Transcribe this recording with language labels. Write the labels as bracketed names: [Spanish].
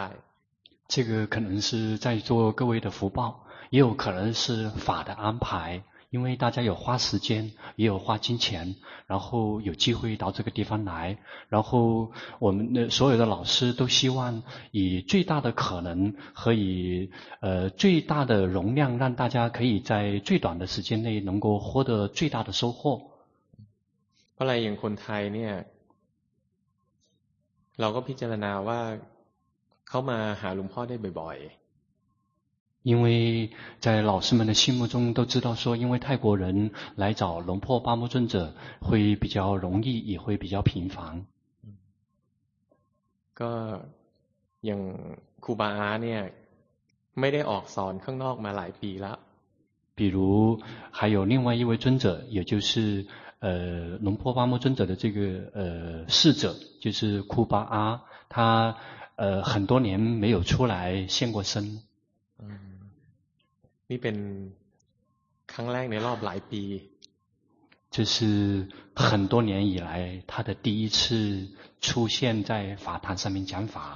[Chinese] 这个可能是在座各位的福报也有可能是法的安排因为大家有花时间也有花金钱然后有机会到这个地方来然后我们所有的老师都希望以最大的可能和以最大的容量让大家可以在最短的时间内能够获得最大的收获后来有 [Thai] คนไทยเนี่ยเราก็พิจารณาว่าเขามาหาหลวงพ่อได้บ่อย [Chinese] ๆ因为在老师们的心目中都知道说因为泰国人来找龙破八木尊者会比较容易也会比较频繁 [Thai] ก็อย่างครูบาอาเนี่ยไม่ได้ออกสอนข้างนอกมาหลายปีแล้ว [Chinese] 比如还有另外一位尊者也就是龙婆巴木尊者的这个侍者就是库巴阿他很多年没有出来现过身 [Thai] นี่เป็นครั้งแรกในรอบหลายปี [Chinese] 这是很多年以来他的第一次出现在法坛上面讲法